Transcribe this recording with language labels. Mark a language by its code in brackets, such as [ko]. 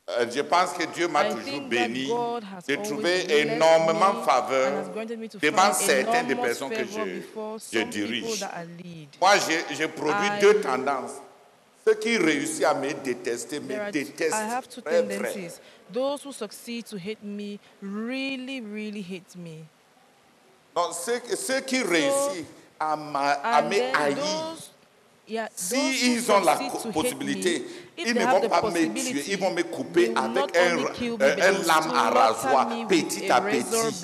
[fr] Je pense que Dieu m'a toujours béni de trouver énormément faveur devant certaines des personnes que je dirige. Moi, je produis deux tendances. Ceux qui réussissent à me détester me détestent très vrai. [en] Those who succeed to hate me really, really hate me. [fr] Non, ceux qui réussissent à me haïr, s'ils ont la possibilité, ils ne vont pas me tuer, ils vont me couper avec un lame à rasoir, petit à petit.